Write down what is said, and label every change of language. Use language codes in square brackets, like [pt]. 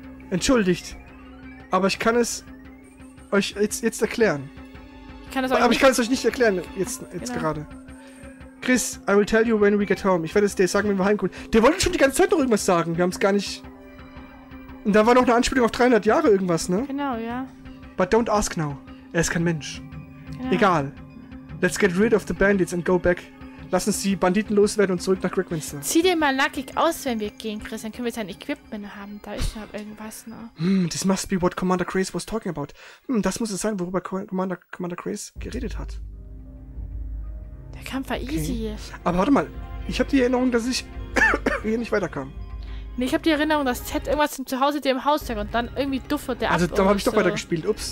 [de] Entschuldigt. Aber ich kann es euch jetzt erklären. Ich kann es aber ich kann es euch nicht erklären, jetzt genau. Gerade. Chris, [en] I will tell you when we get home. [de] Ich werde es dir sagen, wenn wir heimkommen. Der wollte schon die ganze Zeit noch irgendwas sagen. Wir haben es gar nicht. Und da war noch eine Anspielung auf 300 Jahre irgendwas, ne? Genau, ja. [en] But don't ask now. [de] Er ist kein Mensch. Genau. Egal. [en] Let's get rid of the bandits and go back. [de] Lass uns die Banditen loswerden und zurück nach Grigminster. Zieh dir mal nackig aus, wenn wir gehen, Chris. Dann können wir sein Equipment haben. Da ist noch irgendwas noch. [en] Hm, this must be what Commander Grace was talking about. [de] Hm, das muss es sein, worüber Commander Grace geredet hat. Der Kampf war easy. Okay. Aber warte mal. Ich habe die Erinnerung, dass ich hier nicht weiterkam. Nee, ich habe die Erinnerung, dass Ted irgendwas zu Hause dir im Haus hat und dann irgendwie duftet der ab. Also, da habe ich doch weitergespielt. Ups.